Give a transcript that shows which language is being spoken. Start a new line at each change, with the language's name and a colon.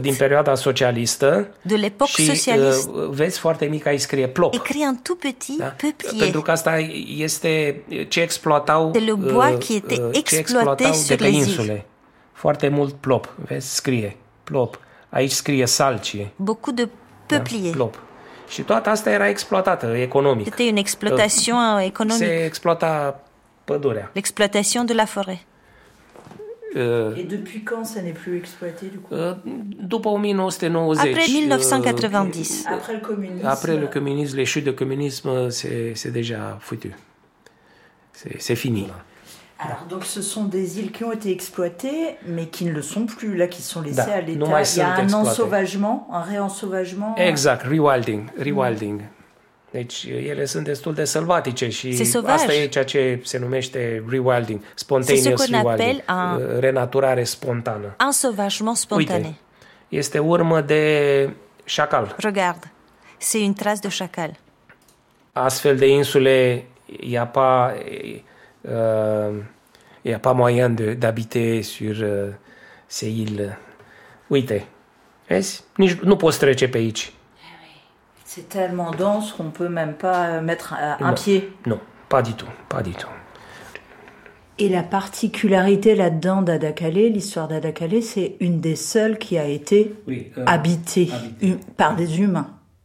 Romanian: din perioada socialistă.
French: De l'époque socialiste.
Romanian: Și vezi foarte mic aici scrie ploc.
French: Écrit un tout petit, da? Peuplier.
Romanian: Pentru că asta este ce exploatau.
French: C'est le bois qui était exploité sur les îles.
Romanian: Foarte mult plop, vezi, scrie plop. Aici scrie salcie.
French: Beaucoup de peuplier.
Romanian: Da? Plop. Și toată asta era exploatată economic.
French: C'était une exploitation économique.
Romanian: Se exploata pădurea.
French: L'exploitation de la forêt. Et depuis quand ça n'est plus exploité du coup?
Romanian: După 1990.
French: Après 1990. Après le communisme. Après le communisme, les chutes de communisme, c'est déjà foutu. C'est fini. Alors donc ce sont des îles qui ont été exploitées, mais qui ne le sont plus là, qui sont laissées à l'état. Il y a un ensauvagement, un réensauvagement.
English: Exact, rewilding, rewilding.
Romanian: Deci ele sunt destul de sălbatice și asta e ceea ce se numește rewilding,
English: spontaneous rewilding,
Romanian: renaturare spontană.
French: Un sauvagement spontané.
Romanian: Uite, este urmă de șacal.
French: Regarde, c'est une trace de șacal.
Romanian: Astfel de insule,
French: y a pas moyen d'habiter sur ces îles.
Romanian: Uite, vezi, nici, nu poți trece pe aici.
French: C'est tellement dense qu'on peut même pas mettre un pied. Non, pas du tout, pas du tout. Et la particularité là-dedans d'Ada Calais, l'histoire d'Ada Calais, c'est une des seules qui a été habitée. Par des humains.